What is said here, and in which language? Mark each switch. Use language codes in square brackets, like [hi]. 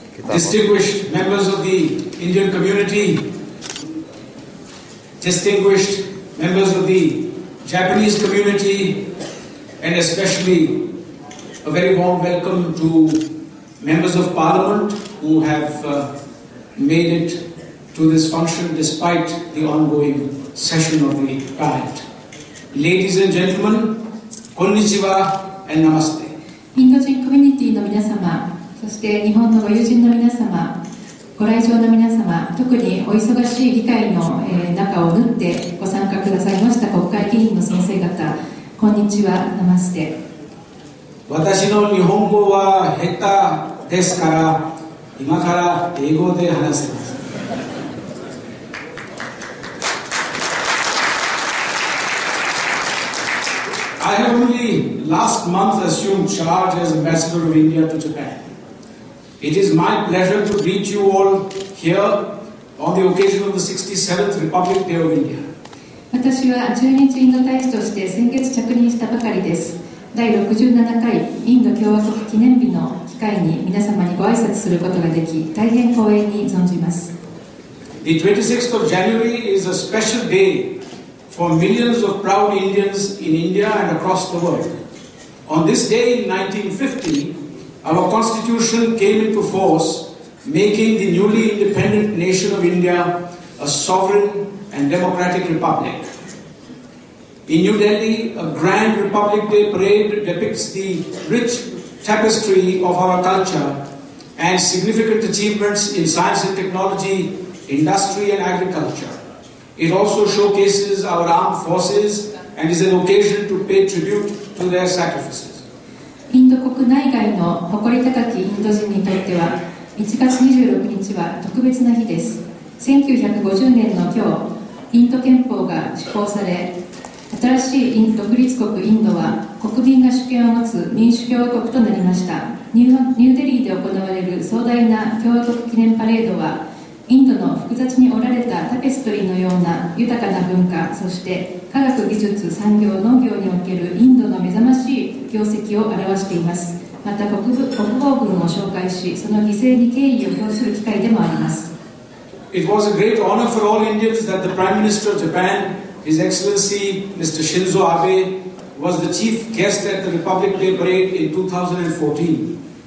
[en] Distinguished members of the Indian community, distinguished members of the Japanese community, and especially a very warm welcome to members of Parliament who have made it to this function despite the ongoing session of the Parliament. Ladies and gentlemen, konnichiwa and namaste. Indian community [ja] の皆様、そして日本のご友人の皆様、ご来場の皆様、特にお忙しい議会の中を縫ってご参加くださいました国会議員の先生方、こんにちは、ナマステ。私の日本語は下手ですから、今から英語で話せます。 [en] I have only last month assumed charge as Ambassador of India to Japan. It is my pleasure to greet you all here on the occasion of the 67th Republic Day of India. [ja] 私は駐日インド大使として先月着任したばかりです。第67回インド共和国記念日の機会に皆様にご挨拶することができ、大変光栄に存じます。 [en] The 26th of January is a special day for millions of proud Indians in India and across the world. On this day in 1950,Our constitution came into force, making the newly independent nation of India a sovereign and democratic republic. In New Delhi, a grand Republic Day parade depicts the rich tapestry of our culture and significant achievements in science and technology, industry and agriculture. It also showcases our armed forces and is an occasion to pay tribute to their sacrifices. [ja] インド国内外の誇り高きインド人にとっては1月26日は特別な日です。 1950年の今日、インド憲法が施行され、新しい独立国インドは国民が主権を持つ民主共和国となりました。ニューデリーで行われる壮大な共和国記念パレードは、インドの複雑に織られたタペストリーのような豊かな文化、そして科学技術産業農業におけるインドの目覚ましい業績を表しています。また国防軍を紹介し、その犠牲に敬意を表する機会でもあります。 [en] It was a great honor for all Indians that the Prime Minister of Japan, His Excellency Mr. Shinzo Abe, was the chief guest at the Republic Day Parade in 2014.